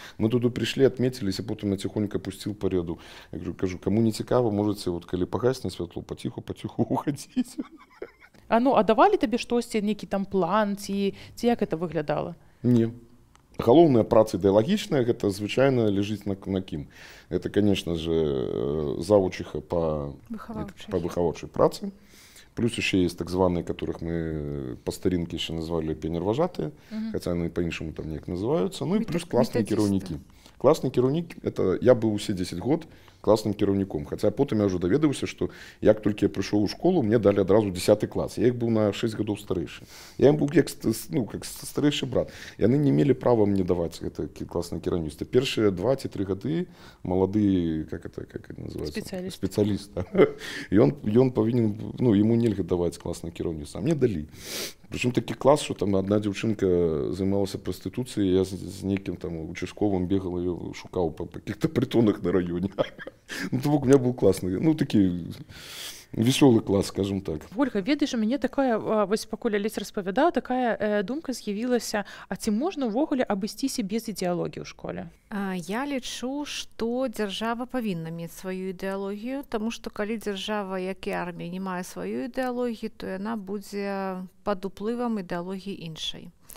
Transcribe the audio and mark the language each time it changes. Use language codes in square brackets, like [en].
[be] Мы туды прыйшлі, адметіліся, потым ціхонька пусціў па рэду. Я кажу, каму не цікава, можаце вот калі пагасне святло, паціху-паціху ўхадзіць. А ну, а давалі табе штосьці, нейкі там план, ці як гэта выглядала? Не. Галоўная праца ідэалагічная, гэта звычайна лежыць на кім. Гэта, канешна ж, завучыха па выхаваўчай працы. [ru] Плюс еще есть так званые, которых мы по старинке еще назвали пионервожатые, хотя они по-иншему там не называются. Ну и плюс классные керовники. Классный керовник, это я был все 10 год классным керовником. Хотя потом я уже доведывался, что як только я пришел в школу, мне дали одразу 10 класс. Я их был на 6 годов старейший. Я им был как старейший брат. И они не имели права мне давать это классные керовники. Первые 2-3 годы молодые, как это называется? Специалист. И он повинен, ну, ему нельзя давать классные керовники. А мне дали. Причем таки класс, что там одна девчонка занималась проституцией, я с неким там участковым бегал ее, шукал по каких-то притонах на районе. Ну, то у меня был классный, ну, такие [be] Весёлы клас, скажем так. Ольга, ведаеш, у мяне такая, вось пакуль Алесь распавядаў, такая думка з'явілася, а ці можна ўвогуле абысціся без ідэалогіі ў школе? Я лічу, што дзяржава павінна мець сваю ідэалогію, таму што калі дзяржава, як і армія, не мае сваёй ідэалогіі, то яна будзе пад уплывам ідэалогіі іншай.